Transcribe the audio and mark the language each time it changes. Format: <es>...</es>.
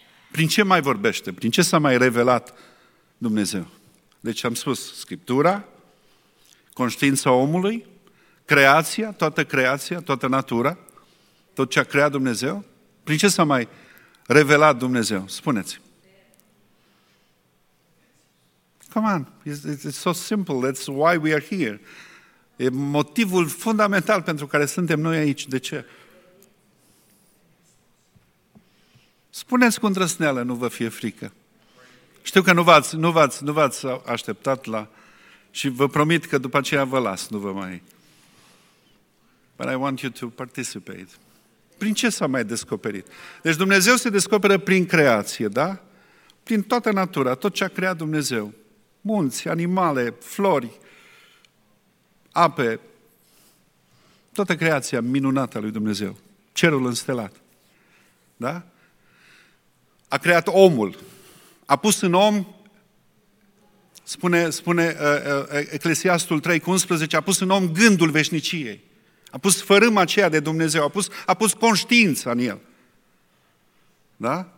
<ro>Prin ce mai vorbește? Prin ce s-a mai revelat Dumnezeu? Deci am spus, Scriptura, conștiința omului, creația, toată natura, tot ce a creat Dumnezeu. Prin ce s-a mai revelat Dumnezeu? Spuneți.</ro> <en>Come on, it's so simple, that's why we are here.</en> <ro>E motivul fundamental pentru care suntem noi aici. De ce? Spuneți cu îndrăsneală, nu vă fie frică. Știu că nu v-ați așteptat la... Și vă promit că după aceea vă las, nu vă mai...</ro> <en>But I want you to participate.</en> <ro>Prin ce s-a mai descoperit? Deci Dumnezeu se descoperă prin creație, da? Prin toată natura, tot ce a creat Dumnezeu. Munți, animale, flori, ape, toată creația minunată a lui Dumnezeu. Cerul înstelat, da? A creat omul, a pus în om, spune Eclesiastul 3:11, a pus în om gândul veșniciei, a pus fărâma aceea de Dumnezeu, a pus conștiința în el, da?</ro>